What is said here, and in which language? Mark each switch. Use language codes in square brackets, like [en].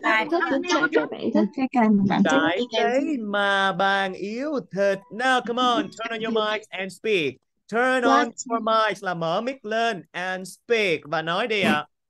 [vi] bạn thích, cái trái cây bạn thích. cây mà bạn thích. Trái cây mà bạn yêu thích. [en] Now, come on, turn on your mics and speak. Turn on What? your mics [vi] là mở mic lên [en] and speak [vi] và nói đi ạ.